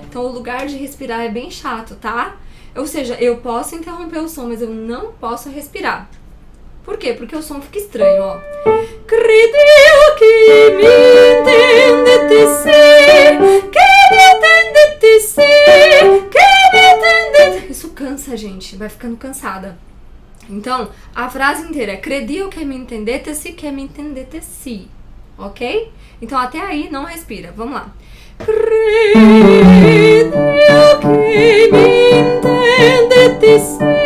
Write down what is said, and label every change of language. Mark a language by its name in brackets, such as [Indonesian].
[Portuguese] Então o lugar de respirar é bem chato, tá? Ou seja, eu posso interromper o som, mas eu não posso respirar. Por quê? Porque o som fica estranho, ó. [Italian] Credio che mi intendete se. Che mi intendete se. Che mi intendete. [Portuguese] Isso cansa, gente. Vai ficando cansada. Então, a frase inteira é [Italian] credio che mi intendete se. Che mi intendete se. [Portuguese] Ok? Então, até aí, não respira. Vamos lá. [Italian] Credio che mi intendete se.